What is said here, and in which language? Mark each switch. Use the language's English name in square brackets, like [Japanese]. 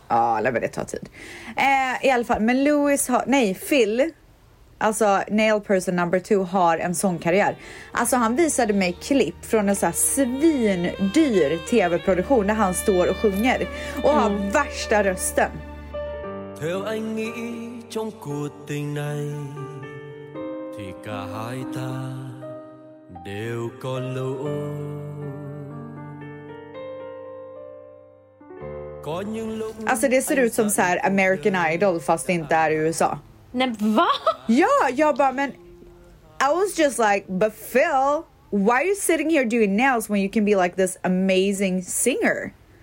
[Swedish] Ja, nej men det tar tid. I alla fall, men Phil, alltså [English] nail person number 2 [Swedish] har en sån karriär. Alltså han visade mig klipp från en så här svindyr TV-produktion där han står och sjunger och har värsta rösten. [Vietnamese] Theo anh nghĩ trong cuộc tình này thì cả hai ta đều có lỗi. Có những lúc. [Swedish] Alltså det ser ut som så här American Idol fast det inte är i USA. Nej, va? Ja, jag bara, men [English] I was just like, but Phil, why are you sitting here doing nails when you can be like this amazing singer?